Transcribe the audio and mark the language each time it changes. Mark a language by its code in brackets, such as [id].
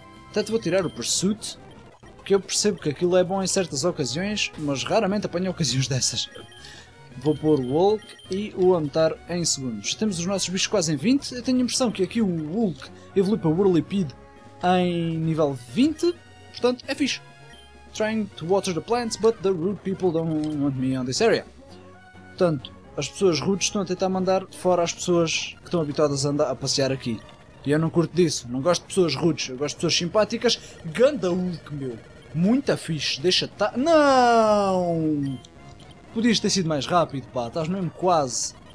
[pt] Até te vou tirar o Pursuit, que eu percebo que aquilo é bom em certas ocasiões, mas raramente apanho ocasiões dessas. Vou pôr o Hulk e o Amtar em segundos. Temos os nossos bichos quase em 20, eu tenho a impressão que aqui o Hulk evolui para o Whirlipede em nível 20, portanto, é fixe. [en] Trying to water the plants, but the rude people don't want me on this area. [pt] Portanto, as pessoas rudes estão a tentar mandar de fora as pessoas que estão habituadas a andar a passear aqui. E eu não curto disso, não gosto de pessoas rudes, eu gosto de pessoas simpáticas. Ganda Hulk, meu. Muito fixe, deixa estar. Não! Podias ter sido mais rápido, pá, estás mesmo quase.